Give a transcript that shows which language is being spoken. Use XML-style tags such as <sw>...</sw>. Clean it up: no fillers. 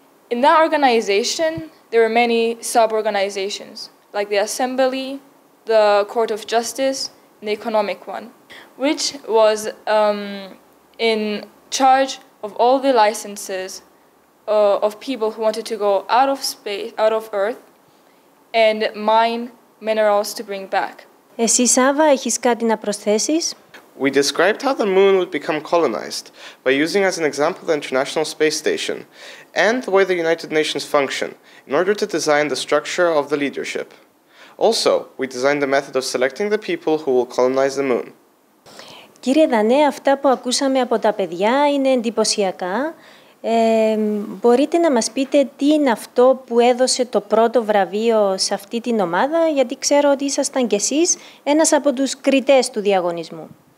<en>In that organization, there are many sub-organizations, like the Assembly, the Court of Justice, and the Economic One, which was in charge of all the licenses of people who wanted to go out of space, out of Earth, and mine minerals to bring back.</en> <el>Εσύ, Σάβα, έχεις κάτι να προσθέσεις?</el> <en>We described how the moon would become colonized by using as an example the International Space Station and the way the United Nations function in order to design the structure of the leadership. Also, we designed the method of selecting the people who will colonize the moon.</en> <el>Κύριε Δανέ, αυτά που ακούσαμε από τα παιδιά είναι εντυπωσιακά. Μπορείτε να μας πείτε τι είναι αυτό που έδωσε το πρώτο βραβείο σε αυτή την ομάδα, γιατί ξέρω ότι ήσασταν κι εσείς ένας από τους κριτές του διαγωνισμού.</el>